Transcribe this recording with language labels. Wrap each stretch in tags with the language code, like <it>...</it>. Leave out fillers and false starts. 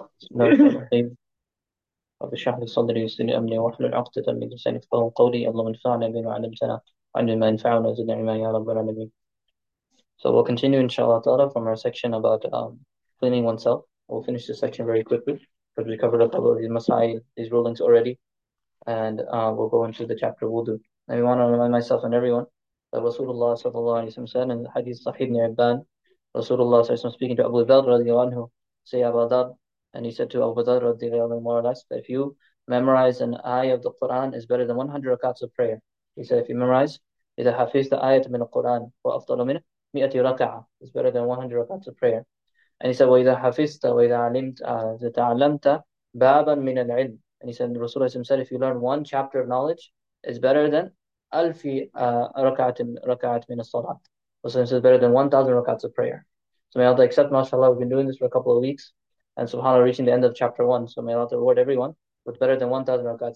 <ar>تمام، اشرح لي صدري ويسر لي امري واحلل عقدة من لساني يفقهوا قولي. اللهم انفعنا بما علمتنا وعلمنا ما ينفعنا وزدنا علما يا رب العالمين.</ar> <en>So we'll continue inshallah ta'ala from our section about cleaning oneself. We'll finish this section very quickly because we covered a couple of these masail, these rulings already. And we'll go into the chapter wudu. And we want to remind myself and everyone that Rasulullah sallallahu alayhi wa sallam said in the hadith Sahih ibn Ibban, Rasulullah sallallahu alayhi wa sallam speaking to Abu Dharr radiallahu anhu, say Abu Dharr, and he said to Abu Dharr radiallahu anhu more or less, that if you memorize an ayah of the Quran is better than 100 rakats of prayer. He said, if you memorize,</en> <ar>إِذَا حَفِظْتَ آيَةَ مِنَ الْقُرْآنِ وَأَفْضَلُ مِنْهُ مِئَةِ رَكَعَةٍ</ar> <en>is better than 100 rakats of prayer. And he said,</en> <ar>وَإِذَا حَفِظْتَ وَإِذَا عَلِمْتَ بَابًا مِنَ الْعِلْمِ.</ar> <en>And he said, Rasulullah said, if you learn one chapter of knowledge, it's better than</en> <ar>أَلْفِ رَكَعَةٍ مِنَ الصَّلَاةِ.</ar> <en>Rasulullah said, better than 1,000 rakats of prayer. So may Allah accept, mashallah, we've been doing this for a couple of weeks. And subhanAllah, reaching the end of chapter one. So may Allah reward everyone with better than 1,000 rakats.</en>